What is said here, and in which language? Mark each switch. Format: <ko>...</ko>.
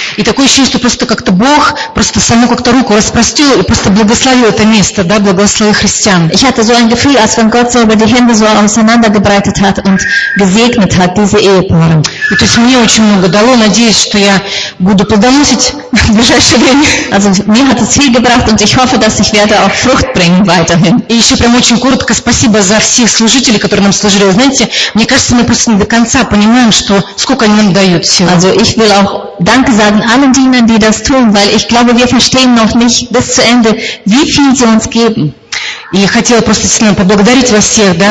<ru>И такое ощущение, что просто как-то Бог просто само как-то руку распростил и просто благословил это место, да, благословил христиан.</ru> <de>Ich hatte so ein Gefühl, als wenn Gott selber die Hände so auseinandergebreitet hat und gesegnet hat diese Ehepaare.</de> <ru>И то есть мне очень много дало, надеюсь, что я буду плодоносить в ближайшее время.</ru> <de>Also mir hat es viel gebracht und ich hoffe, dass ich werde auch Frucht bringen weiterhin.</de> <ru>И еще прям очень коротко спасибо за всех служителей, которые нам служили. Вы знаете, мне кажется, мы просто не до конца понимаем, что сколько они нам дают всего.</ru> <de>Also ich will auch Danke sagen allen Dienern, die das tun, weil ich glaube, wir verstehen noch nicht bis zu Ende, wie viel sie uns geben.</de> <ru>И хотела просто сильно поблагодарить вас всех, да,</ru>